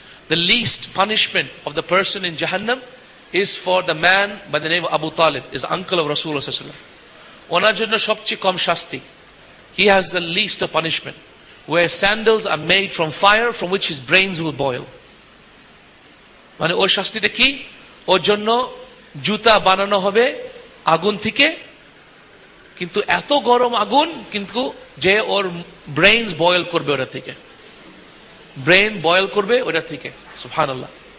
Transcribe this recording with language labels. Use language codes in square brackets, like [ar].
[en] the least punishment of the person in জাহান্নাম is for the man by the name Abu Talib, is uncle of রসুল, [bn] ওনার জন্য সবচেয়ে কম শাস্তি। [en] He has the least of punishment, where sandals are made from fire from which his brains will boil. [bn] মানে ওর শাস্তিটা কি? ওর জন্য জুতা বানানো হবে আগুন থেকে, কিন্তু এত গরম আগুন, কিন্তু যে ওর ব্রেইনস বয়ল করবে ওটা থেকে, ব্রেইন বয়ল করবে ওটা থেকে। সুবহানাল্লাহ।